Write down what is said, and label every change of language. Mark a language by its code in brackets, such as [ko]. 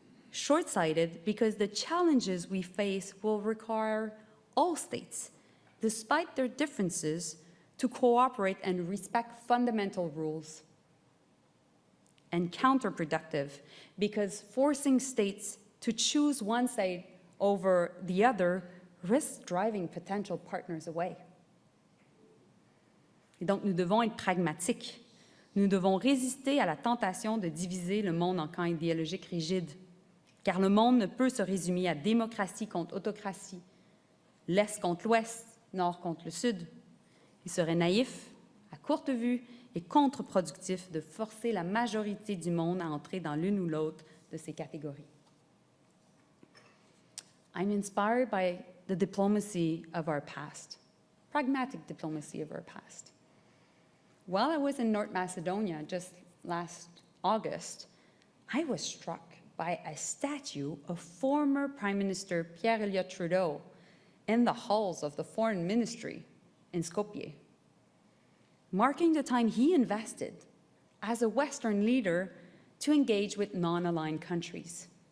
[en] Short-sighted, because the challenges we face will require all states, despite their differences, to cooperate and respect fundamental rules. And counterproductive, because forcing states to choose one side over the other risks driving potential partners away. [fr] Et donc, nous devons être pragmatiques. Nous devons résister à la tentation de diviser le monde en camps idéologiques rigides. Car le monde ne peut se résumer à démocratie contre autocratie, l'Est contre l'Ouest, Nord contre le Sud. Il serait naïf, à courte vue et contre-productif de forcer la majorité du monde à entrer dans l'une ou l'autre de ces catégories. [en] I'm inspired by the diplomacy of our past, pragmatic diplomacy of our past. While I was in North Macedonia just last August, I was struck by a statue of former Prime Minister Pierre-Elliott Trudeau in the halls of the Foreign Ministry in Skopje, marking the time he invested as a Western leader to engage with non-aligned countries.